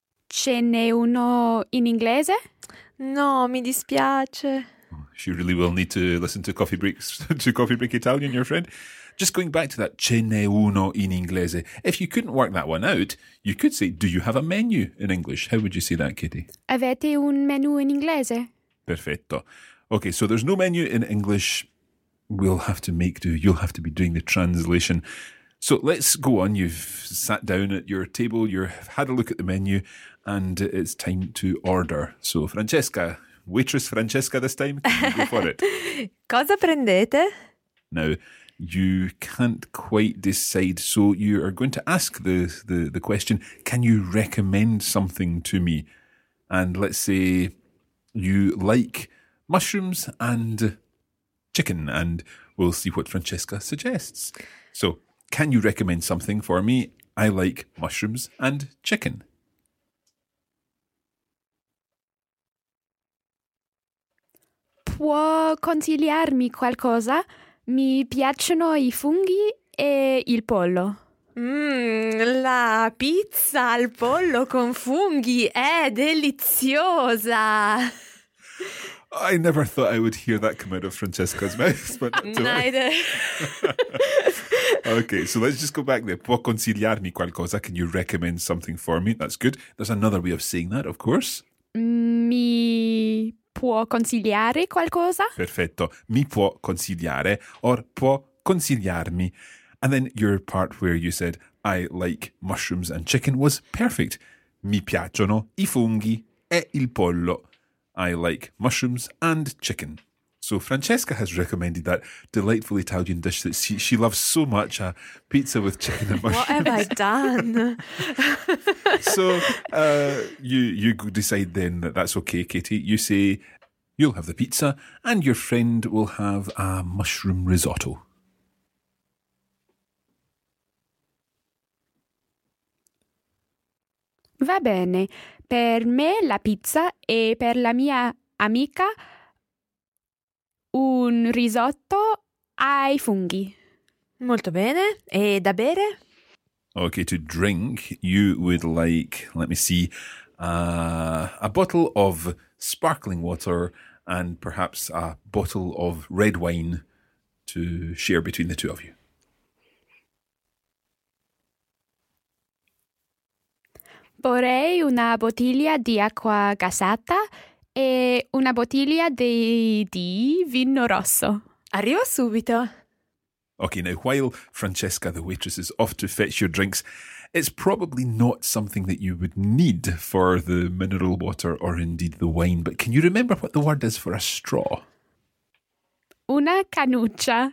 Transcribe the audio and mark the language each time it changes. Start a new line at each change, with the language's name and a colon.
Italian: Ce n'è uno in inglese? No, mi dispiace.
English: She really will need to listen to Coffee Breaks, to Coffee Break Italian, your friend. Just going back to that,
Italian: ce n'è uno in inglese.
English: If you couldn't work that one out, you could say, do you have a menu in English? How would you say that, Katie?
Italian: Avete un menu in inglese? Perfetto.
English: Okay, so there's no menu in English. We'll have to make do. You'll have to be doing the translation. So let's go on. You've sat down at your table. You've had a look at the menu and it's time to order. So Francesca, waitress Francesca this time, can you go for it?
Italian: Cosa prendete?
English: Now, you can't quite decide. So you are going to ask the question, can you recommend something to me? And let's say you like mushrooms and chicken, and we'll see what Francesca suggests. So, can you recommend something for me? I like mushrooms and chicken.
Italian: Può consigliarmi qualcosa? Mi piacciono i funghi e il pollo. La pizza al pollo con funghi è deliziosa!
English: I never thought I would hear that come out of Francesca's mouth. But neither. Okay, so let's just go back there.
Italian: Può consigliarmi qualcosa?
English: Can you recommend something for me? That's good. There's another way of saying that, of course.
Italian: Mi può consigliare qualcosa? Perfetto. Mi può consigliare or può consigliarmi.
English: And then your part where you said, I like mushrooms and chicken was perfect.
Italian: Mi piacciono i funghi e il pollo.
English: I like mushrooms and chicken. So Francesca has recommended that delightful Italian dish that she loves so much, a pizza with chicken and mushrooms. What have I done? So you decide then that that's okay, Katie. You say you'll have the pizza and your friend will have a mushroom risotto.
Italian: Va bene. Per me la pizza e per la mia amica un risotto ai funghi. Molto bene. E da bere?
English: Okay, to drink, you would like, let me see, a bottle of sparkling water and perhaps a bottle of red wine to share between the two of you.
Italian: Vorrei una bottiglia di acqua gassata e una bottiglia di vino rosso. Arrivo subito.
English: Okay, now while Francesca, the waitress, is off to fetch your drinks, it's probably not something that you would need for the mineral water or indeed the wine, but can you remember what the word is for a straw?
Italian: Una canuccia.